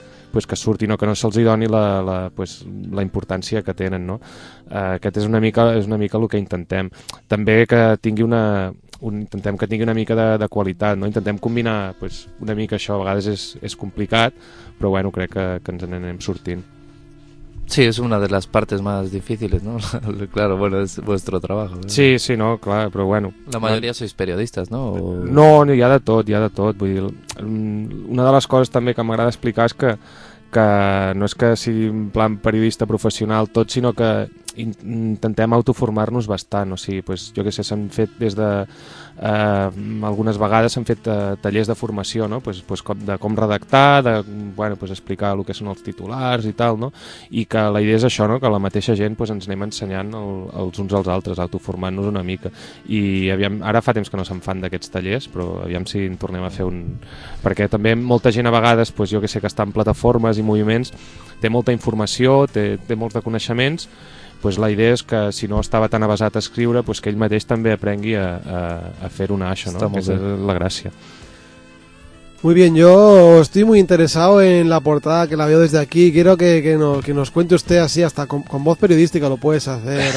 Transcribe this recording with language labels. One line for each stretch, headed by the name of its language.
Catalan: Pues que surtin, o que no se'ls doni la importància que tenen, no? Aquest és una mica el que intentem. També que tingui intentem que tingui una mica de qualitat, no? Intentem combinar pues, una mica això, a vegades és complicat, però bueno, crec que ens n'anem sortint.
Spanish: Sí, es una de las partes más difíciles, ¿no? Claro, bueno, es vuestro trabajo, ¿no? Sí, no, claro, pero bueno. La mayoría sois periodistas, ¿no?
Catalan: No, hi ha de tot. Vull dir, una de les coses també que m'agrada explicar és que no és que sigui en plan periodista professional tot, sinó que intentem autoformar-nos bastant. O sigui, pues, jo què sé, s'han fet des de... algunes vegades s'han fet tallers de formació, no? pues, de com redactar, de bueno, pues, explicar el que són els titulars i tal, no? I que la idea és això, no? Que la mateixa gent pues, ens anem ensenyant els uns als altres, autoformant-nos una mica. I aviam, ara fa temps que no se'n fan d'aquests tallers, però aviam si en tornem a fer un... Perquè també molta gent a vegades, pues, jo què sé, que està en plataformes i moviments, té molta informació, té molts de coneixements, pues la idea és que si no estava tan avesat a escriure, pues que ell mateix també aprengui a fer una això, no? Aquesta és la gràcia.
Spanish: Muy bien, yo estoy muy interesado en la portada, que la veo desde aquí. Quiero que nos cuente usted así, hasta con voz periodística lo puedes hacer.